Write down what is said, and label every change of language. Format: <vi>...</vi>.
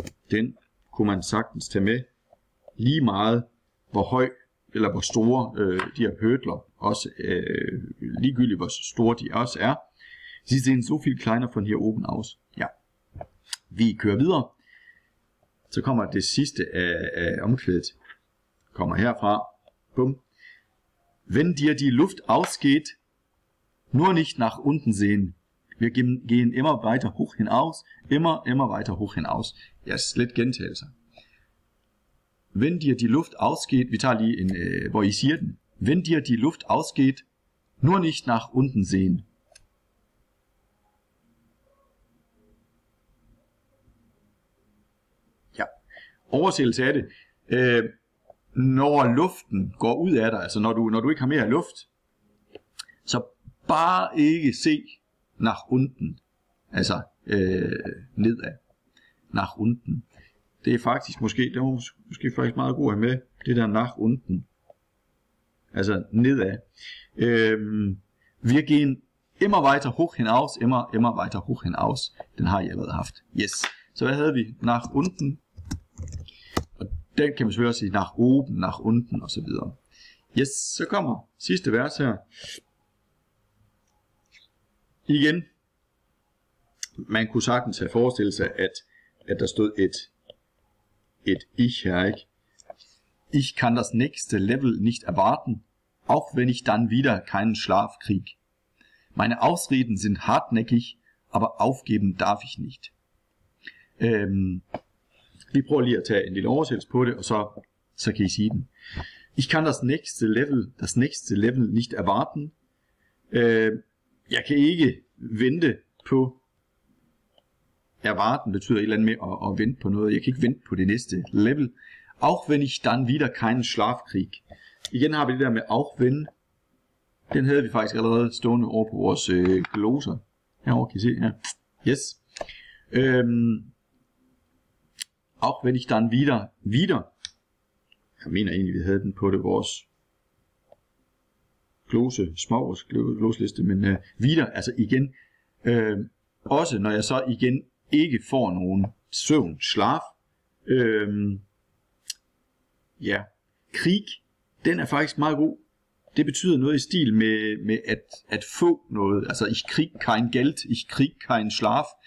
<da>Den kunne man sagtens tage med. Lige meget, hvor høj eller hvor store de her hødler også, ligegyldigt hvor store de også er.</da> <de>Sie sehen so viel kleiner von hier oben aus.</de> <da>Ja. Vi kører videre. Så kommer det sidste af omkvædet. Kommer herfra. Bum.</da> <de>Wenn dir die Luft ausgeht, nur nicht nach unten sehen. Wir gehen immer weiter hoch hinaus. Immer, immer weiter hoch hinaus.</de> <da>Ja, yes, lidt gentagelse.</da> <de>Wenn dir die Luft ausgeht,</de> <da>vi tager lige en, hvor I siger den.</da> <de>Wenn dir die Luft ausgeht, nur nicht nach unten sehen.</de> <da>Ja, oversættelse af det. Når luften går ud af dig, altså når du ikke har mere luft, så bare ikke se nach unten, altså nedad, nach unten. Det er faktisk måske, det var måske faktisk meget god at have med, det der nach unten. Altså nedad.</da> <de>Wir gehen immer weiter hoch hinaus, immer, immer weiter hoch hinaus.</de> <da>Den har I allerede haft. Yes. Så hvad havde vi? Nach unten. Og den kan man selvfølgelig også sige nach oben, nach unten og så videre. Yes, så kommer sidste vers her. Igen. Man kunne sagtens have forestillet sig, at der stod et ich her, ikke?</da> <de>Ich kann das nächste Level nicht erwarten, auch wenn ich dann wieder keinen Schlaf krieg. Meine Ausreden sind hartnäckig, aber aufgeben darf ich nicht.</de> <da>Vi prøver lige at tage en lille oversættelse på det, og så kan I sige den.</da> <de>Ich kann das nächste Level nicht erwarten.</de> <da>Jeg kan ikke vente på. Erwarten betyder et eller andet med at vente på noget. Jeg kan ikke vente på det næste level.</da> <de>Auch wenn ich dann wieder keinen Schlaf krieg.</de> <da>Igen har vi det der med auch wenn. Den havde vi faktisk allerede stående over på vores gloser. Herovre kan I se. Ja. Yes.</da> <de>Auch wenn ich dann wieder.</de> <da>Jeg mener egentlig, vi havde den på det vores glose, småvores glosliste, men wieder, altså igen. Også når jeg så igen ikke får nogen søvn, slaf. Ja, krig, den er faktisk meget god. Det betyder noget i stil med at få noget. Altså,</da> <de>ich krieg kein Geld, ich krieg kein Schlaf.</de>